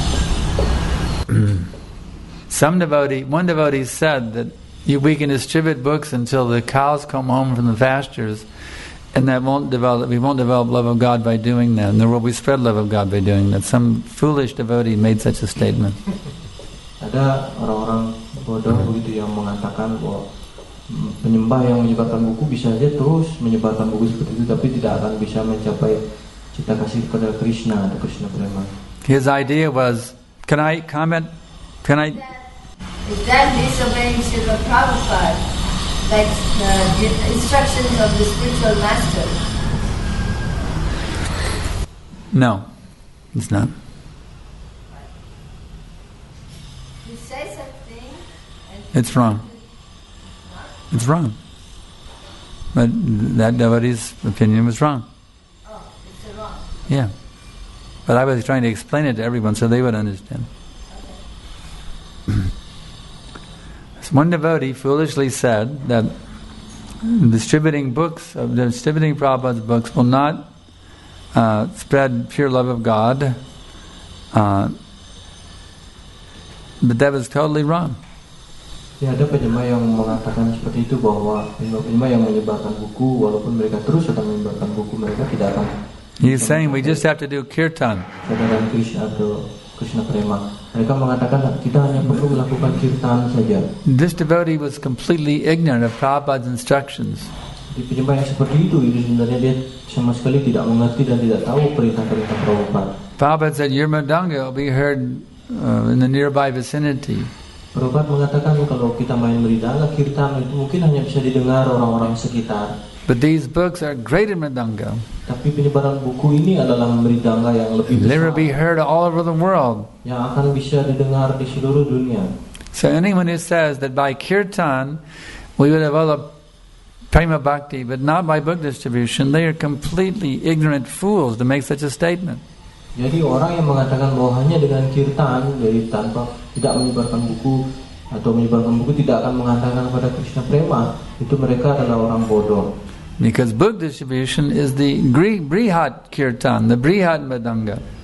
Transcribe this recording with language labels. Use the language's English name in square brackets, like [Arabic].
[English] Distribute books, but we won't get the love of Godhead. One devotee said that we can distribute books until the cows come home from the pastures, and that we won't develop love of God by doing that, nor will we spread love of God by doing that. Some foolish devotee made such a statement. [Indonesian] Ada orang-orang bodoh begitu yang mengatakan bahwa penyembah yang menyebarkan buku bisa saja terus menyebarkan buku seperti itu, tapi tidak akan bisa mencapai cita kasih kepada Krishna atau Krishna Prema. [English] His idea was, can I comment? Can I? Is that disobeying Srila Prabhupada, like the instructions of the spiritual master? No, it's not. You say something, and it's wrong. It's wrong. But that devotee's opinion was wrong. Oh, it's wrong. Yeah. But I was trying to explain it to everyone so they would understand. Okay. So one devotee foolishly said that distributing Prabhupada's books will not spread pure love of God. But that was totally wrong. [Indonesian] Ya, ada penyembah yang mengatakan seperti itu, bahwa penyembah yang menyebarkan buku, walaupun mereka terus akan menyebarkan buku, mereka tidak akan. [English] He's saying we just have to do kirtan. [Indonesian] Sedangkan Krishna atau Krishna Prema, mereka mengatakan kita hanya perlu melakukan kirtan saja. [English] This devotee was completely ignorant of Prabhupada's instructions. [Indonesian] Di penyembah yang seperti itu sebenarnya dia sama sekali tidak mengerti dan tidak tahu perintah-perintah Prabhupada. [English] Prabhupada said your mandanga will be heard in the nearby vicinity. [Indonesian] Prabhupada mengatakan kalau kita main mridanga, kirtan itu mungkin hanya bisa didengar orang-orang sekitar. [English] But these books are greater mridanga. [Indonesian] Tapi penyebaran buku ini adalah mridanga yang lebih besar. [English] They will be heard all over the world. [Indonesian] Yang akan bisa didengar di seluruh dunia. [English] So anyone who says that by kirtan we will develop prema bhakti, but not by book distribution, they are completely ignorant fools to make such a statement. [Indonesian] Jadi orang yang mengatakan bahwa hanya dengan kirtan, jadi tanpa tidak menyebarkan buku atau menyebarkan buku tidak akan mengatakan kepada Krishna Prema, itu mereka adalah orang bodoh. [English] Because book distribution is the brihat kirtan, the brihat madanga.